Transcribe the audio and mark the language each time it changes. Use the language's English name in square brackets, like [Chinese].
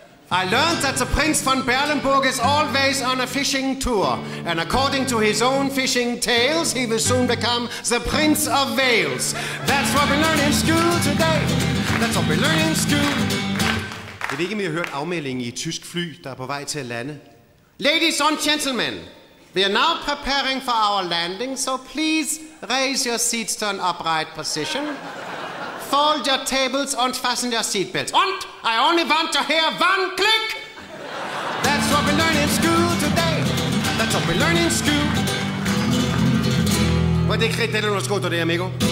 [English] I learned that the Prince von Berlenburg is always on a fishing tour, and according to his own fishing tales, he will soon become the Prince of Wales. That's what we learn in school today. That's what we learn in school. [Danish] Jeg ved ikke, om I har hørt afmeldingen i et tysk fly, der er på vej til at lande. [English] Ladies and gentlemen, we are now preparing for our landing, so please raise your seats to an upright position. Fold your tables and fasten your seatbelts. And I only want to hear one click. That's what we learn in school today. That's what we learn in school. [Danish] Hvad er det, der er noget skoet, amigo?